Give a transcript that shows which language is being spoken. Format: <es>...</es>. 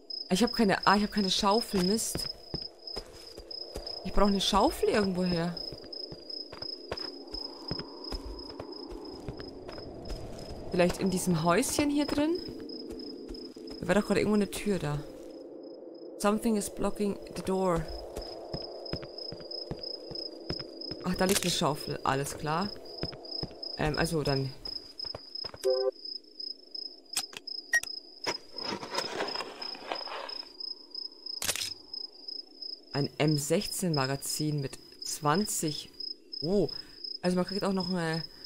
<de>Ich habe keine Schaufel, Mist. Ich brauche eine Schaufel irgendwo her. Vielleicht in diesem Häuschen hier drin? Da war doch gerade irgendwo eine Tür da.</de> <en>Something is blocking the door.</en> <de>Ach, da liegt eine Schaufel. Alles klar. Also dann... Ein M16-Magazin mit 20. Oh. Also man kriegt auch noch eine</de>